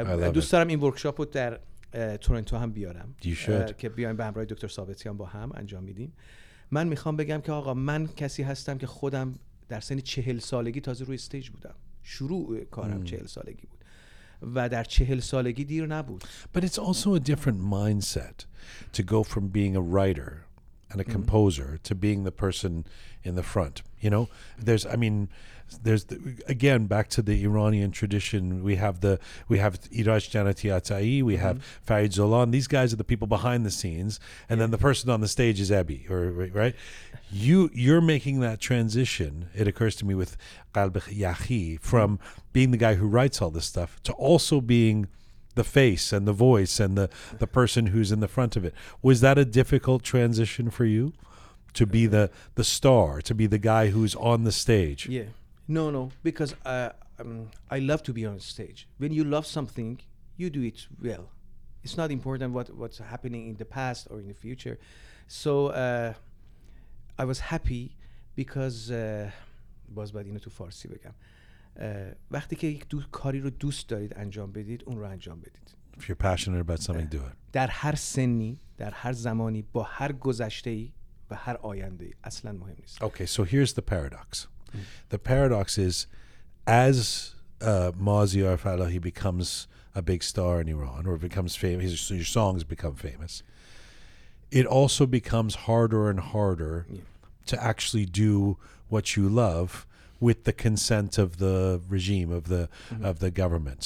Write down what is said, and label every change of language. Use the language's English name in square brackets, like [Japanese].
[Persian] دوست دارم این ورکشاپ رو در تورنتو هم بیارم که بیایم به همراه دکتر ثابتیان با هم انجام میدیم من میخوام بگم که آقا من کسی هستم که خودم در سن 40 سالگی تازه روی استیج بودم شروع کارم 40 سالگی بود و در 40 سالگی دیر نبود. [English] But it's also a different mindset to go from being a writer and a composer to being the person in the front. You know, again back to the Iranian tradition. We have Iraj Janati Atai, we have Farid Zolan. These guys are the people behind the scenes, and then the person on the stage is Ebi, or right? You're making that transition. It occurs to me with Qalb Yahi from being the guy who writes all this stuff to also being the face and the voice and the person who's in the front of it. Was that a difficult transition for you to be the star, to be the guy who's on the stage? Yeah. No, because I love to be on stage. When you love something, you do it well. It's not important what's happening in the past or in the future. So I was happy because [Persian] باز باید اینو تو فارسی بگم وقتی که یک کاری رو دوست دارید انجام بدید اون رو انجام بدید [English] If you're passionate about something, do it. [Persian] در هر سنی، در هر زمانی، با هر گذشته‌ای و هر آینده‌ای اصلاً مهم نیست. [English] Okay, so here's the paradox. The paradox is, as Mazyar Fallahi becomes a big star in Iran, or becomes famous, your songs become famous, it also becomes harder and harder to actually do what you love with the consent of the regime, of the of the government.